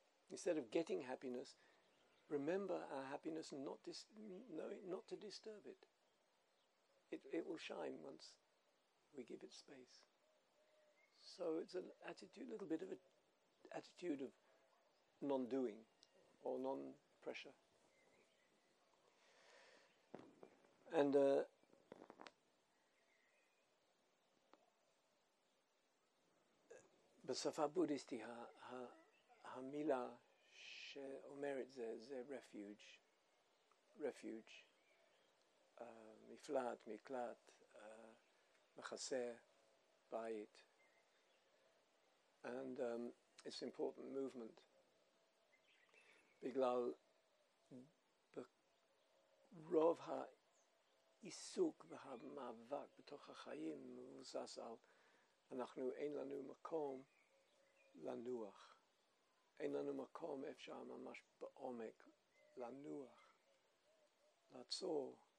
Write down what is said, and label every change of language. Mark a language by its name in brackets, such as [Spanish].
[English] Instead of getting happiness, remember our happiness and not to disturb it. It will shine once we give it space. So it's an attitude, a little bit of an attitude of non-doing or non-pressure. And [Hebrew] בשפה בודיסטי, המילה שאומרת זה refuge, מפלט, מקלט, מחסה, בית. [English] And it's important movement. [Hebrew] בגלל רוב העיסוק והמאבק בתוך החיים מבוסס על אנחנו, אין לנו מקום לנוח. אין לנו מקום אפשר ממש בעומק לנוח, לעצור.